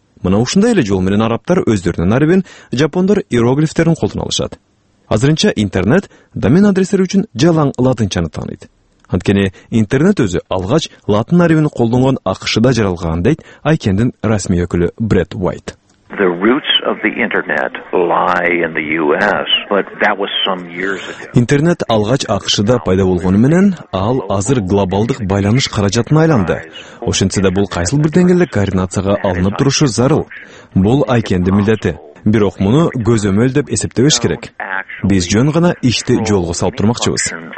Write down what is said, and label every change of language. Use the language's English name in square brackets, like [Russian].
[Kyrgyz] Мына ушундай эле жол менен арабтар өздөрүнүн арифин, жапондор иероглифтерин колдонушат. Азырынча интернет домен адрестер үчүн жалаң латынчаны тааныйт. Анткени интернет өзү алгач латын арифин колдонгон АКШда жаралган, дейт Айкендин расмий өкүлү Брэд Уайт. [English] The roots of the internet lie in the US, but that was some years ago. [Kyrgyz] Интернет алгач АКШда пайда болгону менен ал азыр глобалдык байланыш каражатына айланды. Ошентсе да бул кайсыл бир деңгээлде координацияга алынып турушу зарыл. Бул Айкендин милдети. Бирок муну көзөмөл деп эсептебеш керек. Биз жөн гана ишти жолго салып турмакчыбыз.